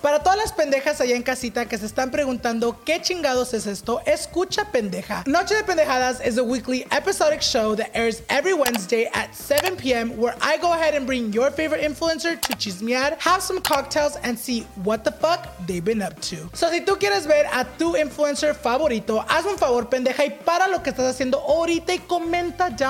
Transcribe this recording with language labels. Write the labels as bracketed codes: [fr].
[es] Para todas las pendejas allá en casita que se están preguntando qué chingados es esto, escucha pendeja. [en] Noche de Pendejadas is a weekly episodic show that airs every Wednesday at 7 p.m. where I go ahead and bring your favorite influencer to chismear, have some cocktails, and see what the fuck they've been up to. [es] So si tú quieres ver a tu influencer favorito, hazme un favor, pendeja, y para lo que estás haciendo ahorita y comenta ya.